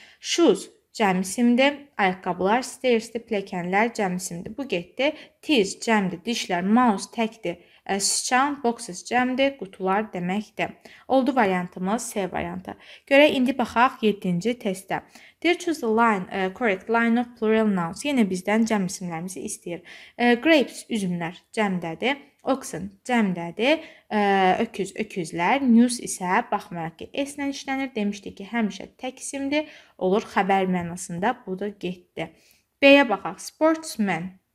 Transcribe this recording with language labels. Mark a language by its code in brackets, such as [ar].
[az] Shoes cəm isimdir. Ayaqqabılar, stairs, pləkənlər cəm isimdir. Bu getdi. Tiz cəmdir. Dişlər, mouse təkdir. Sıçan, boxes cəmdir, qutular deməkdir. Oldu variantımız C variantı. Görək, indi baxaq 7-ci testdə. [en] Dear choose the line, correct line of plural nouns. [az] Yenə bizdən cəm isimlərimizi istəyir. Grapes, üzümlər cəmdədir. Oxen cəmdədir. Öküz, öküzlər. News isə baxmayaq ki, S-lə işlənir. Demişdik ki, həmişə tək isimdir. Olur xəbər mənasında, bu da getdi. B-yə baxaq, sportsman.